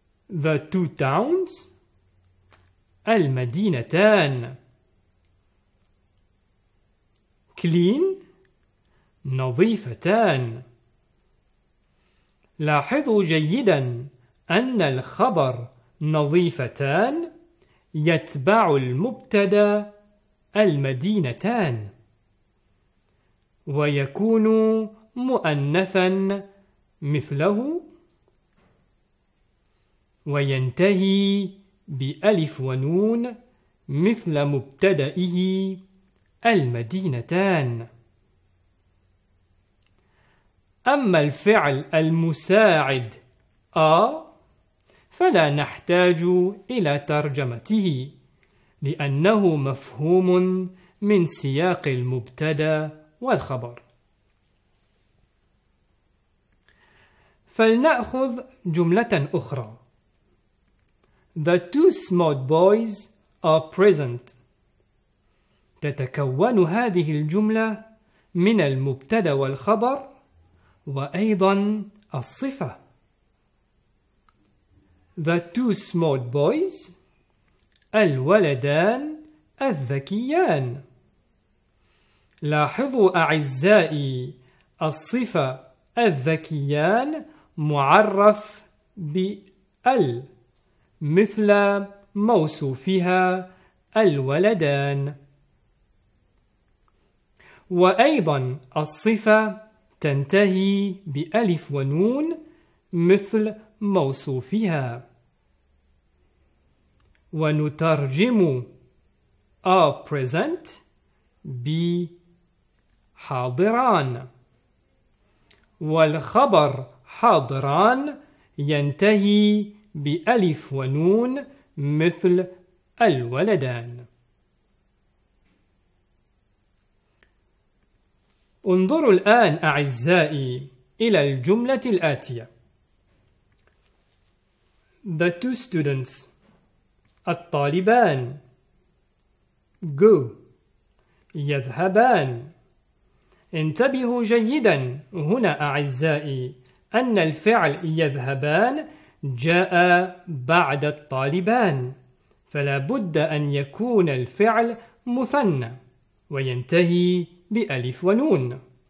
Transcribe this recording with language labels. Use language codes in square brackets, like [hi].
[en] The two towns، [ar] المدينتان. [en] Clean، [ar] نظيفتان. لاحظوا جيدا أن الخبر نظيفتان يتبع المبتدأ المدينتان، ويكون مؤنثا مثله، وينتهي بألف ونون مثل مبتدئه المدينتان. أما الفعل المساعد أ فلا نحتاج إلى ترجمته لأنه مفهوم من سياق المبتدأ والخبر. فلنأخذ جملة أخرى. [en] The two smart boys are present. [ar] تتكون هذه الجملة من المبتدأ والخبر وأيضا الصفة. [en] The two smart boys، [ar] الولدان الذكيان. لاحظوا أعزائي الصفة الذكيان معرف بال مثل موصوفها الولدان، وأيضا الصفة تنتهي بألف ونون مثل موصوفها، ونترجم [en] are present [ar] بحاضران، والخبر حاضران ينتهي بألف ونون مثل الولدان. انظروا الآن أعزائي إلى الجملة الآتية. [en] The two students، [ar] الطالبان. [en] Go، [ar] يذهبان. انتبهوا جيدا هنا أعزائي أن الفعل يذهبان جاء بعد الطالبان، فلا بد أن يكون الفعل مثنى وينتهي بألف ونون.